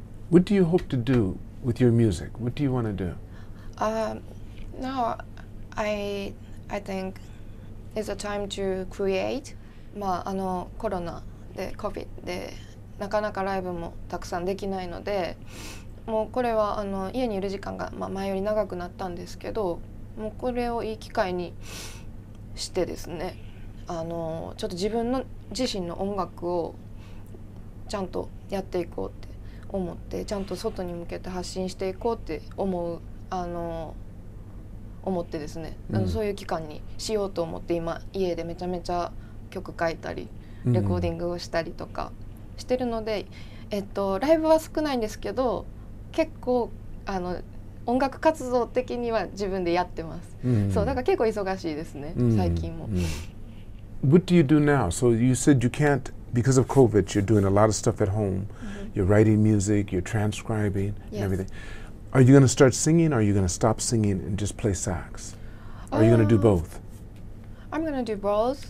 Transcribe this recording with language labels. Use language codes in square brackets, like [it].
[en] What do you hope to do with your music? What do you want to do? Now I think it's a time to create. [ja] まあ、あのコロナで COVID でなかなかライブもたくさんできないので、もうこれはあの家にいる時間が、まあ、前より長くなったんですけど、もうこれをいい機会にしてですね、あのちょっと自分の自身の音楽をちゃんとやっていこうって思って、ちゃんと外に向けて発信していこうって思う、思ってですね、mm. あのそういう期間にしようと思って、今家でめちゃめちゃ曲書いたり、mm. レコーディングをしたりとかしてるので、ライブは少ないんですけど、結構あの音楽活動的には自分でやってます、mm. そうだから結構忙しいですね、mm. 最近も、 [en] mm. What do you do now? So you said you can't because of COVID, you're doing a lot of stuff at home. Mm-hmm. You're writing music, you're transcribing, yes. and everything. Are you going to start singing, or are you going to stop singing and just play sax? Are you going to do both? I'm going to do both.